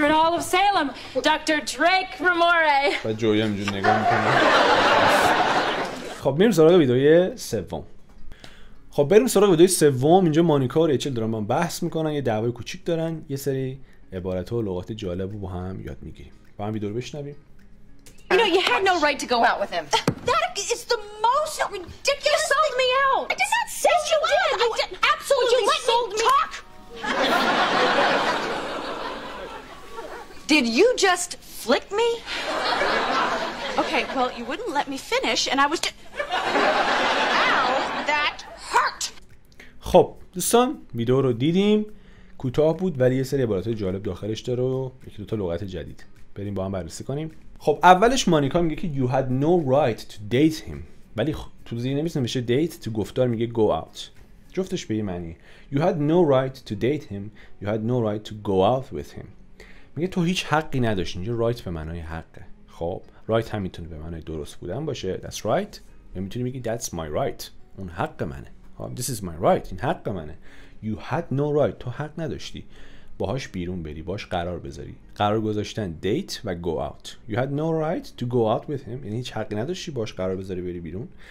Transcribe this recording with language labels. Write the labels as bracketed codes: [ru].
[fa] کنم all of Salem, دکتر دریک رموره. و جویه همینجور نگاه میکنم. خب میریم سراغ ویدئوی سوم. خب بریم سراغ ویدئوی سوم. اینجا مانیکا و ریچل دارن با هم بحث میکنن، یه دعوای کوچیک دارن، یه سری عبارات و لغات جالب رو با هم یاد میگیریم. با هم ویدئو رو بشنویم. [en] You know, you had no right to go out with him. That is the most ridiculous thing. You sold me out. I did not sell you out. You absolutely sold me. Talk. Did you just flick me? Okay, well, you wouldn't let me finish, and I was Ow, that hurt. [fa] خب دوستان ویدیو رو دیدیم، کوتاه بود ولی یه سری عبارات جالب داخلش داره و یکی دو تا لغت جدید. بریم با هم بررسی کنیم. خب اولش مانیکا میگه که [en] you had no right to date him، [fa] ولی تو زیر نمیشه میشه date، تو گفتار میگه go out، جفتش به یه معنی. [en] You had no right to date him. You had no right to go out with him. [fa] میگه تو هیچ حقی نداشتی. اینجا right به معنای حقه. خب right هم میتونه به معنای درست بودن باشه، [en] that's right، [fa] یا میتونی بگی [en] that's my right، [fa] اون حق منه. خب [en] this is my right، [fa] این حق منه. [en] You had no right، [fa] تو حق نداشتی باهاش بیرون بری، باهاش قرار بذاری. قرار گذاشتن date و go out. [en] You had no right to go out with him، [fa] یعنی هیچ حقی نداشتی باهاش قرار بذاری بری بیرون.